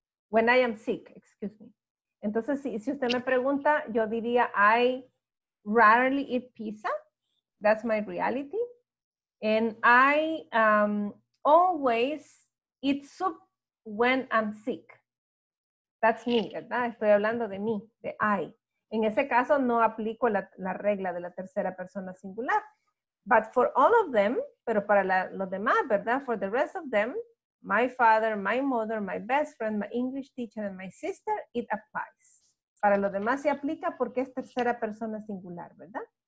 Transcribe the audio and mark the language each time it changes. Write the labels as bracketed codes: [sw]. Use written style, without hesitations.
[en] When I am sick, excuse me. [es] Entonces, si usted me pregunta, yo diría [en] I rarely eat pizza. That's my reality. And I always eat soup when I'm sick. That's me, [es] ¿verdad? Estoy hablando de mí, de I. En ese caso, no aplico la regla de la tercera persona singular. [en] But for all of them, [es] pero para los demás, ¿verdad? [en] For the rest of them, my father, my mother, my best friend, my English teacher, and my sister, it applies. [es] Para los demás se aplica porque es tercera persona singular, ¿verdad?